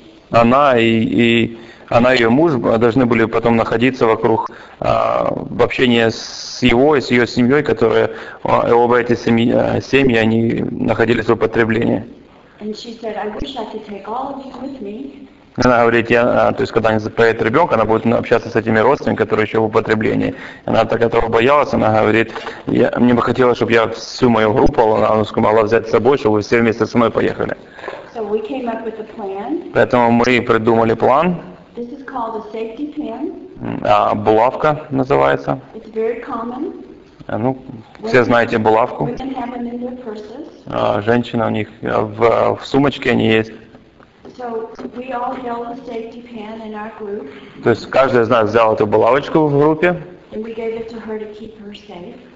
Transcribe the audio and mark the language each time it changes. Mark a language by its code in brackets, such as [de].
[ru] Она и ее муж должны были потом находиться вокруг в общении с его и с ее семьей, которые оба эти семьи, они находились в употреблении. [en] And she said, I wish I could take all of you with me. [ru] Она говорит, я, то есть когда появится ребенок, она будет общаться с этими родственниками, которые еще в употреблении. Она так этого боялась, она говорит, я, мне бы хотелось, чтобы я всю мою группу могла взять с собой, чтобы вы все вместе со мной поехали. [en] So we came up with a plan. [ru] Поэтому мы придумали план. [en] This is called a safety pin. [ru] А, булавка называется. [en] It's very common. [ru] Ну, все знаете булавку. [en] We can have them in their purses. [ru] А, женщина у них в сумочке они есть. [en] So we all held a safety pin in our group. [ru] То есть каждый из нас взял эту булавочку в группе. [en] And we gave it to her to keep her safe.